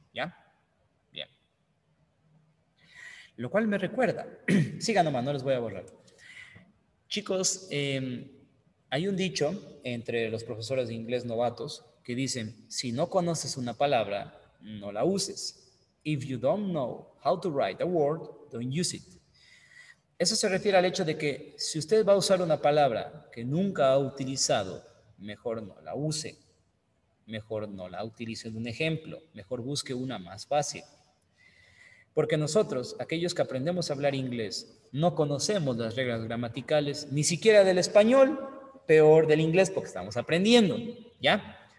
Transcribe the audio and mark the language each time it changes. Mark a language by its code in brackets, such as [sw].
[es] ¿Ya? Bien. Lo cual me recuerda. Sigan nomás, no les voy a borrar. Chicos, hay un dicho entre los profesores de inglés novatos que dicen, si no conoces una palabra, no la uses. [en] If you don't know how to write a word, don't use it. [es] Eso se refiere al hecho de que si usted va a usar una palabra que nunca ha utilizado, mejor no la use. Mejor no la utilice en un ejemplo. Mejor busque una más fácil. Porque nosotros, aquellos que aprendemos a hablar inglés, no conocemos las reglas gramaticales, ni siquiera del español, peor del inglés porque estamos aprendiendo, ¿ya?